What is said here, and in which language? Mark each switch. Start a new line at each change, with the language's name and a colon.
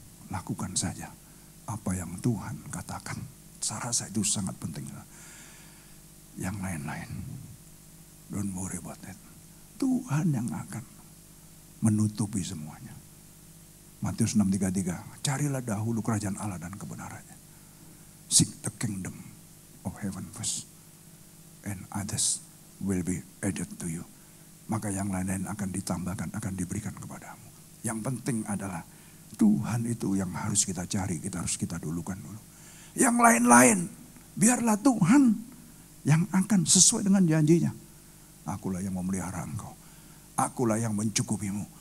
Indonesian: Lakukan saja apa yang Tuhan katakan. Saya rasa itu sangat penting. Yang lain-lain,
English: don't worry about it.
Indonesian: Tuhan yang akan menutupi semuanya. Matius 6:33, carilah dahulu kerajaan Allah dan kebenarannya.
English: Seek the kingdom of heaven first, and others will be added to you.
Indonesian: Maka yang lain-lain akan ditambahkan, akan diberikan kepadamu. Yang penting adalah Tuhan itu yang harus kita cari, kita harus kita dulukan dulu. Yang lain-lain, biarlah Tuhan yang akan sesuai dengan janjinya. Akulah yang memelihara engkau. Akulah yang mencukupimu.